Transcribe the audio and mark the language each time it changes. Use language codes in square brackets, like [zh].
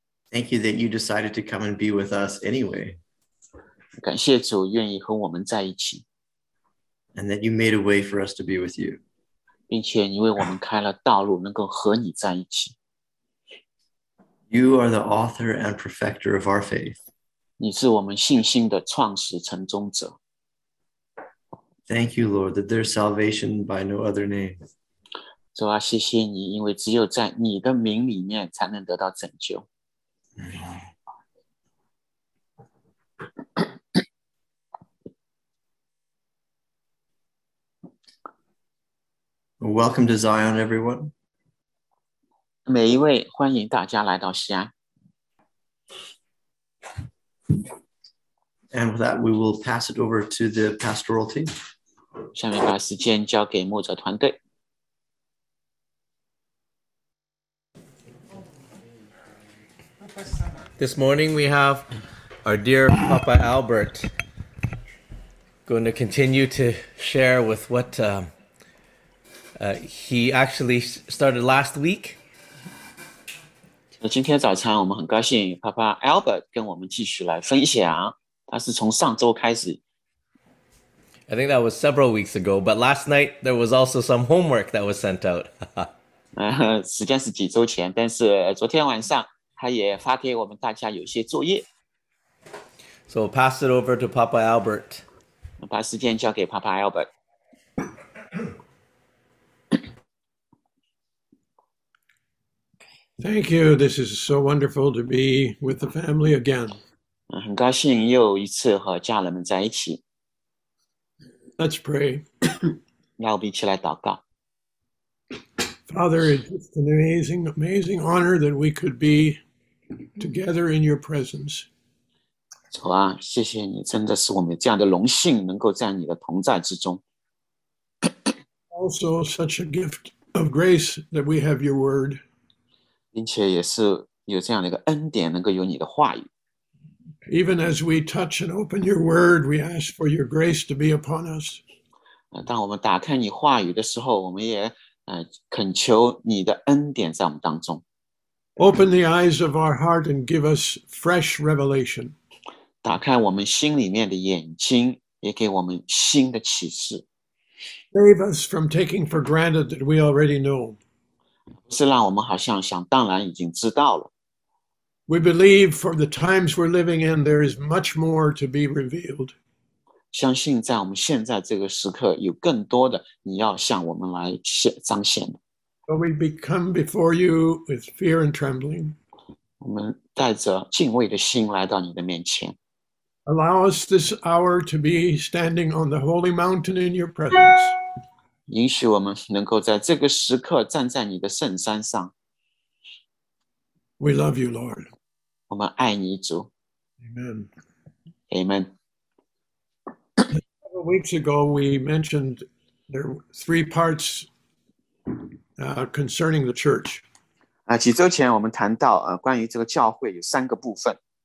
[en] Thank you that you decided to come and be with us anyway. [zh] 感谢主愿意和我们在一起。 [en] And that you made a way for us to be with you. [zh] 并且你为我们开了道路，能够和你在一起。 [en] You are the author and perfecter of our faith. [zh] 你是我们信心的创始成终者。 [en] Thank you, Lord, that there's salvation by no other name. [zh] 主啊，谢谢你，因为只有在你的名里面才能得到拯救。 [en] Welcome to Zion, everyone. [zh] 每一位，欢迎大家来到西安。 [en] And with that, we will pass it over to the pastoral team. [zh] 下面把时间交给牧者团队。 [en] This morning we have our dear Papa Albert going to continue to share with what he actually started last week. [zh] 今天早上我们很高兴 Papa Albert 跟我们继续来分享，他是从上周开始。 [en] I think that was several weeks ago, but last night there was also some homework that was sent out. [zh] 时间是几周前，但是昨天晚上他也发给我们大家有些作业。 [en] So we'll pass it over to Papa Albert. [zh] 把时间交给 Papa Albert. [en] Thank you. This is so wonderful to be with the family again. [zh] 很高兴又一次和家人们在一起。 [en] Let's pray. [zh] 要一起来祷告。 [en] Father, it's an amazing, amazing honor that we could be together in your presence. [zh] 主啊，谢谢你，真的是我们这样的荣幸，能够在你的同在之中。 [en] Also, such a gift of grace that we have your word. [zh] 并且也是有这样的一个恩典，能够有你的话语。 [en] Even as we touch and open your word, we ask for your grace to be upon us. [zh] 当我们打开你话语的时候，我们也恳求你的恩典在我们当中。 [en] Open the eyes of our heart and give us fresh revelation. [zh] 打开我们心里面的眼睛，也给我们新的启示。 [en] Save us from taking for granted that we already know. [zh] 是让我们好像想当然已经知道了。 [en] We believe for the times we're living in, there is much more to be revealed. [zh] 相信在我们现在这个时刻，有更多的你要向我们来彰显。 [en] So we become before you with fear and trembling. [zh] 我们带着敬畏的心来到你的面前。 [en] Allow us this hour to be standing on the holy mountain in your presence. [zh] 允许我们能够在这个时刻站在你的圣山上。 [en] We love you, Lord. [zh] 我们爱你主。 [en] Amen. Amen. Several weeks ago, we mentioned there were three parts concerning the church. [zh] 几周前我们谈到, 关于这个教会有三个部分。